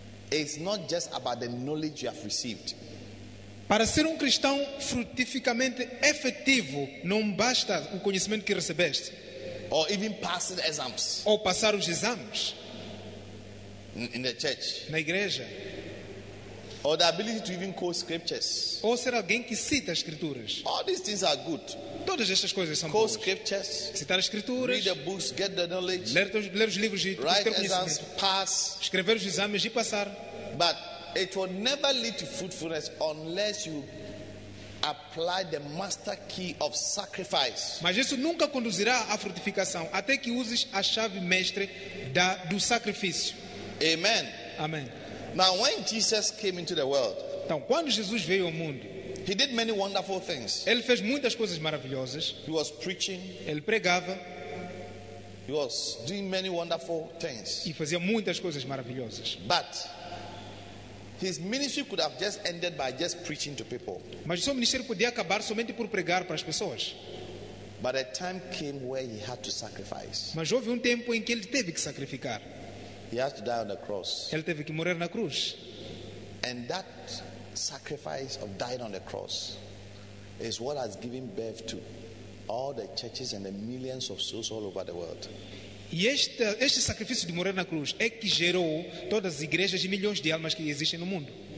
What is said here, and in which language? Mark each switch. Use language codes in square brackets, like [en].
[en] It's not just about the knowledge you have received. [pt] Para ser cristão frutificamente efetivo, não basta o conhecimento que recebeste. [en] Or even pass the exams. [pt] Ou passar os exames. [en] In the church. [pt] Na igreja. [en] Or the ability to even quote scriptures. [pt] Ou ser alguém que cita escrituras. [en] All these things are good. [pt] Todas estas coisas são boas. Scriptures. Citar escrituras. [en] Read the books, get the knowledge. [pt] Ler os livros e ter conhecimento. [en] Pass. [pt] Escrever os exames e passar. [en] But it will never lead to fruitfulness unless you apply the master key of sacrifice. [pt] Mas isso nunca conduzirá à frutificação até que uses a chave mestre do sacrifício. [en] Amen. [pt] Amém. [en] Now, when Jesus came into the world, [pt] então, quando Jesus veio ao mundo, [en] he did many wonderful things. [pt] Ele fez muitas coisas maravilhosas. [en] He was preaching. [pt] Ele pregava. [en] He was doing many wonderful things. [pt] E fazia muitas coisas maravilhosas. [en] But his ministry could have just ended by just preaching to people. [pt] Mas o seu ministério podia acabar somente por pregar para as pessoas. [en] But a time came where he had to sacrifice. [pt] Mas houve tempo em que ele teve que sacrificar. [en] He had to die on the cross. [pt] Ele teve que morrer na cruz. [en] And that sacrifice of dying on the cross is what has given birth to all the churches and the millions of souls all over the world. [pt] E este sacrifício de morrer na cruz é que gerou todas as igrejas e milhões de almas que existem no mundo.